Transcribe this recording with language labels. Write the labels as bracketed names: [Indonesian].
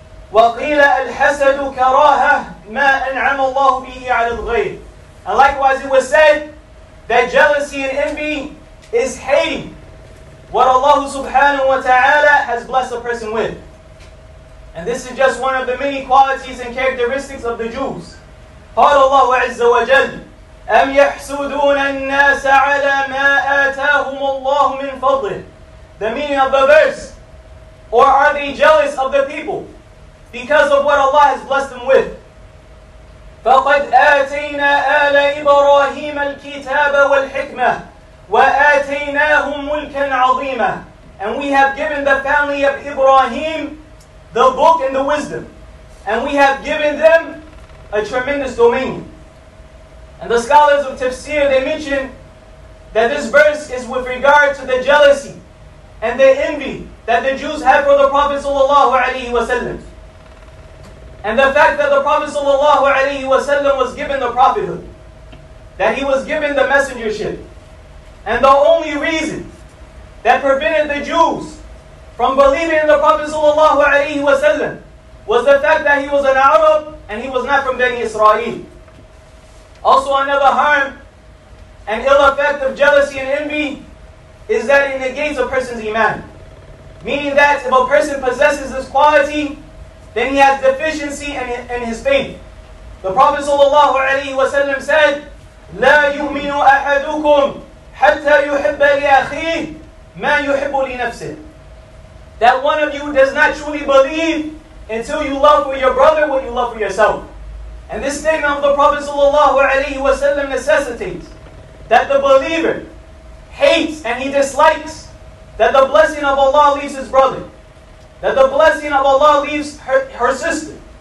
[Arabic] Wa qila al-hasad karaha ma an'ama Allah bihi 'ala al-ghayr. [English] And likewise it was said that jealousy and envy is hating what Allah subhanahu wa ta'ala has blessed a person with. And this is just one of the many qualities and characteristics of the Jews. [Arabic] قال الله عز وجل أم يحسدون الناس على ما آتاهم الله من فضله. [English] The meaning of the verse. Or are they jealous of the people because of what Allah has blessed them with? [Arabic] فقد آتينا آل إبراهيم الكتاب والحكمة وآتيناهم ملكا عظيما. [English] And we have given the family of Ibrahim the book and the wisdom. And we have given them a tremendous dominion. And the scholars of Tafsir, they mention that this verse is with regard to the jealousy and the envy that the Jews had for the Prophet sallallahu alayhi wa sallam. And the fact that the Prophet sallallahu alayhi wa sallam was given the prophethood. That he was given the messengership. And the only reason that prevented the Jews from believing in the Prophet sallallahu alayhi wa sallam was the fact that he was an Arab and he was not from Bani Israel. Also another harm and ill effect of jealousy and envy is that it negates a person's iman. Meaning that if a person possesses this quality, then he has deficiency in his faith. The Prophet sallallahu alaihi wasallam said, [Arabic] لا يؤمن أحدكم حتى يحب لأخيه ما يحب لنفسه. [English] That one of you does not truly believe until you love for your brother what you love for yourself. And this statement of the Prophet sallallahu alaihi wasallam necessitates that the believer hates and he dislikes that the blessing of Allah leaves his brother, that the blessing of Allah leaves her sister.